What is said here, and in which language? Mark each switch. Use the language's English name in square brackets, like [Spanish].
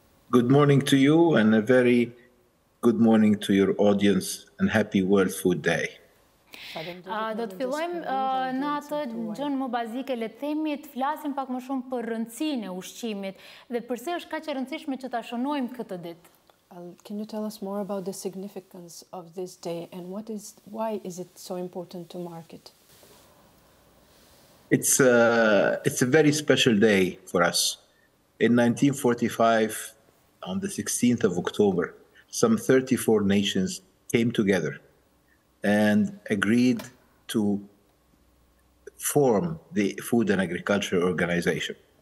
[English] Good morning to you and a very good morning to your audience and happy World Food Day. [Albanian] Do të fillojmë në atë gjën më bazike, le të themi, të flasim pak më shumë për rëndësinë e ushqimit dhe pse është kaq e rëndësishme që ta shënojmë këtë ditë. [English] Can you tell us more about the significance of this day and why is it so important to mark it? It's a very special day for us. In 1945, on the 16th of October, some 34 nations came together and agreed to form the Food and Agriculture Organization,